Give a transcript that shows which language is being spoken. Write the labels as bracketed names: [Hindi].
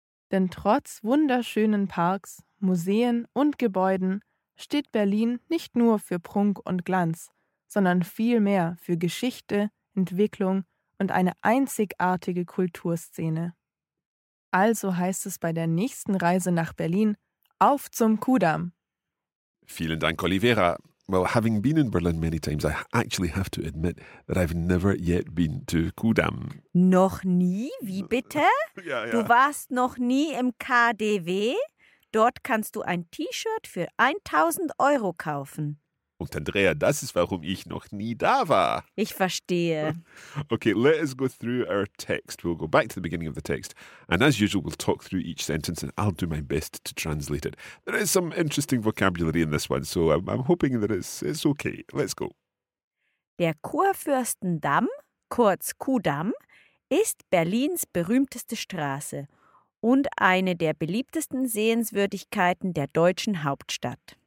[German] Denn trotz wunderschönen Parks, Museen und Gebäuden steht Berlin nicht nur für Prunk und Glanz, sondern vielmehr für Geschichte, Entwicklung und eine einzigartige Kulturszene. Also heißt es bei der nächsten Reise nach Berlin, auf zum Kudamm! Vielen Dank, Oliveira. [English] Well, having been in Berlin many times, I actually have to admit that I've never yet been to Kudamm. [German] Noch nie? Wie bitte? Du warst noch nie im KDW? Dort kannst du ein T-Shirt für 1.000 Euro kaufen. Und Andrea, das ist, warum ich noch nie da war. Ich verstehe. [English] Okay, let us go through our text. We'll go back to the beginning of the text. And as usual, we'll talk through each sentence and I'll do my best to translate it. There is some interesting vocabulary in this one, so I'm hoping that it's okay. Let's go. [German] Der Kurfürstendamm, kurz Kudamm, ist Berlins berühmteste Straße und eine der beliebtesten Sehenswürdigkeiten der deutschen Hauptstadt.